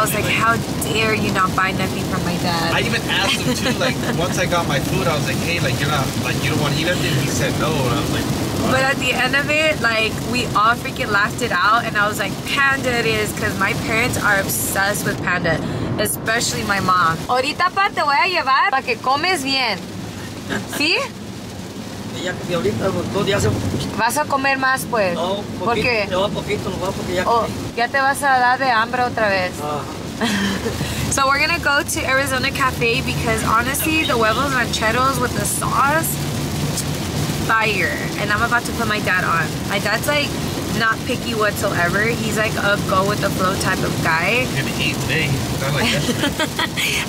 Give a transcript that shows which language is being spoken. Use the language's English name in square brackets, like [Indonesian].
[English] I was like, how dare you not buy nothing from my dad? I even asked him too. Like, once I got my food, I was like, hey, like, you're not, like, you don't want to eat anything. He said no, and I was like. But at the end of it, like, we all freaking laughed it out, and I was like, Panda it is, because my parents are obsessed with Panda, especially my mom. [Spanish] Ahorita, pa, te voy a llevar para que comes bien. ¿Sí? Vas a comer más, pues. No, poquito. Ya te vas a dar de hambre otra vez. [English] So we're going to go to Arizona Cafe, because honestly, the huevos rancheros with the sauce, fire. And I'm about to put my dad on. My dad's like not picky whatsoever. He's like a go with the flow type of guy. Like,